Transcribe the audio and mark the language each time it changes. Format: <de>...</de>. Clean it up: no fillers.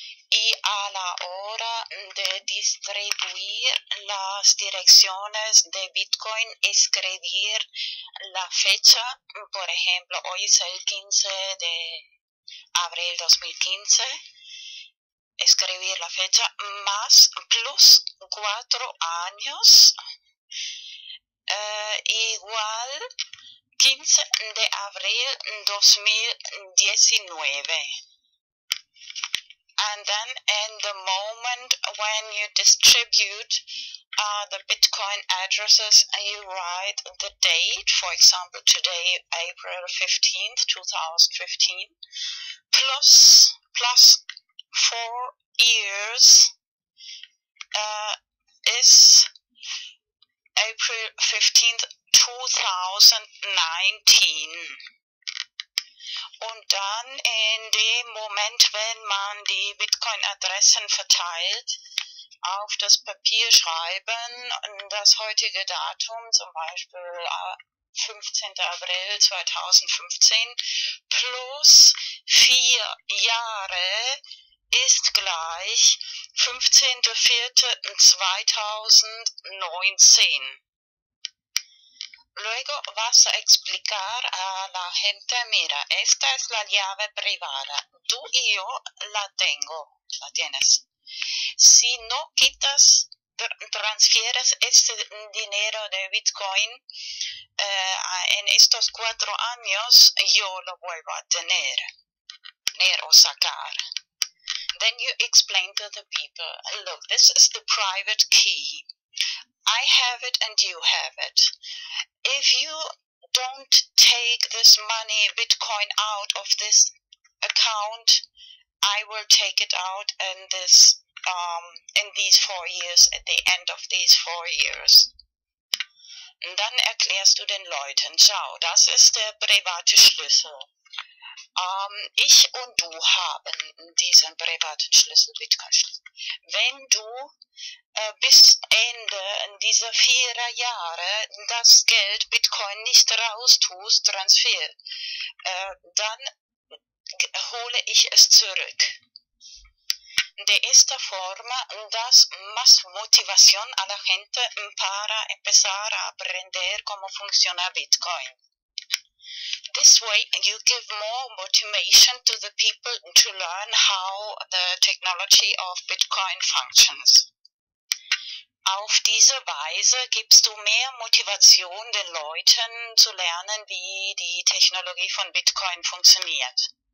<es>Y a la hora de distribuir las direcciones de Bitcoin, escribir la fecha, por ejemplo, hoy es el 15 de abril 2015, escribir la fecha más plus 4 años, igual 15 de abril 2019.</es> <en>And then in the moment when you distribute the Bitcoin addresses, you write the date, for example, today, April 15th, 2015, plus 4 years, is April 15th, 2019.</en> <de>Und dann in dem Moment, wenn man die Bitcoin-Adressen verteilt, auf das Papier schreiben, das heutige Datum, zum Beispiel 15. April 2015, plus 4 Jahre ist gleich 15.04.2019.</de> <es>Luego vas a explicar a la gente, mira, esta es la llave privada. Tú y yo la tengo, la tienes. Si no quitas, transfieres ese dinero de Bitcoin, en estos 4 años, yo lo vuelvo a tener o sacar.</es> <en>Then you explain to the people, look, this is the private key. I have it and you have it. If you don't take this money, Bitcoin, out of this account, I will take it out in this, in these 4 years, at the end of these 4 years.</en> <de>Und dann erklärst du den Leuten, schau, das ist der private Schlüssel. Ich und du haben diesen privaten Schlüssel, Bitcoin-Schlüssel. Wenn du bis Ende dieser 4 Jahre das Geld Bitcoin nicht raustust, Transfer, dann hole ich es zurück.</de> <es>De esta forma das más motivación a la gente para empezar a aprender cómo funciona Bitcoin.</es> <en>This way you give more motivation to the people to learn how the technology of Bitcoin functions.</en> <de>Auf diese Weise gibst du mehr Motivation den Leuten zu lernen, wie die Technologie von Bitcoin funktioniert.</de>